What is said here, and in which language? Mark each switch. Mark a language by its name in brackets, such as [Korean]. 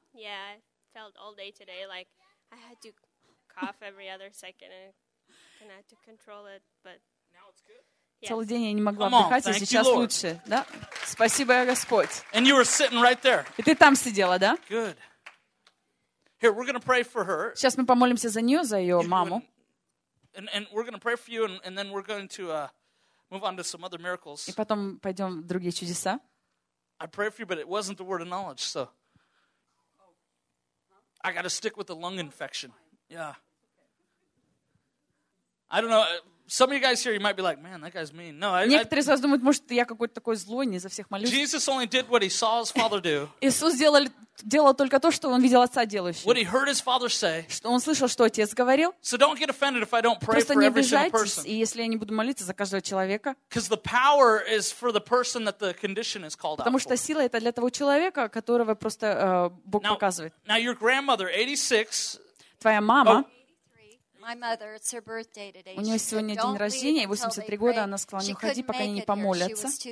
[English] Yeah, I felt all day today like I had to cough every other second and I had to control it, but now it's good. Yes. [Russian] Целый день я не могла отдыхать, а сейчас лучше, да? Спасибо, Господь. [English] And you were sitting right there. [Russian] И ты там сидела, да? [English] Good. Here, we're going to pray for her. [Russian] Сейчас мы помолимся за неё, за её маму. [English] And we're going to pray for you and then we're going to move on to some other miracles. [Russian] И потом пойдём в другие чудеса. [English] I pray for you, but it wasn't the word of knowledge, so. I got to stick with the lung infection. Yeah. I don't know. Some of you guys here, you might be like, man, that guy's mean. No, [Russian] некоторые из вас думают, может, я какой-то такой злой, не за всех молюсь. [English] Jesus only did what he saw his father do. [Russian] Иисус делал только то, что он видел отца делающим. [English] What he heard his father say. [Russian] Что он слышал, что отец говорил. [English] So don't get offended if I don't pray for every single person. [Russian] И если я не буду молиться за каждого человека. [English] Because the power is for the person that the condition is called out for. [Russian] Потому что сила это для того человека, которого просто Бог показывает. [English] Now your grandmother, 86. [Russian] Твоя мама. [English] My mother, it's her birthday today. [Russian] У неё сегодня день рождения, 83 года, она сказала, не уходи, пока не помолятся.